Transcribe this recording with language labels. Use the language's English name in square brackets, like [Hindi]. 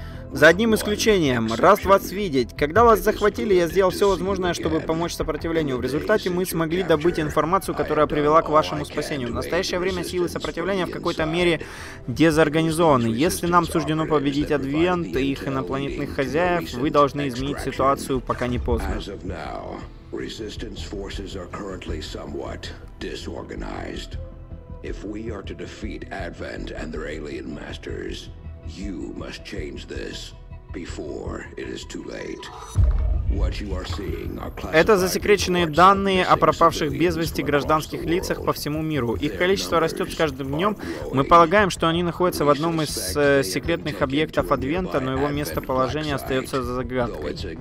[Russian] За одним исключением. Рад вас видеть. Когда вас захватили, я сделал все возможное, чтобы помочь сопротивлению. В результате мы смогли добыть информацию, которая привела к вашему спасению. В настоящее время силы сопротивления в какой-то мере дезорганизованы. Если нам суждено победить Адвент и их инопланетных хозяев, вы должны изменить ситуацию, пока не поздно. [English] Resistance forces are currently somewhat disorganized. If we are to defeat Advent and their alien masters, you must change this before it is too late. What you are seeing are classified. [Russian] Это засекреченные данные о пропавших без вести гражданских лицах по всему миру. Их количество растет с каждым днем. Мы полагаем, что они находятся в одном из секретных объектов Адвента, но его местоположение остается загадкой.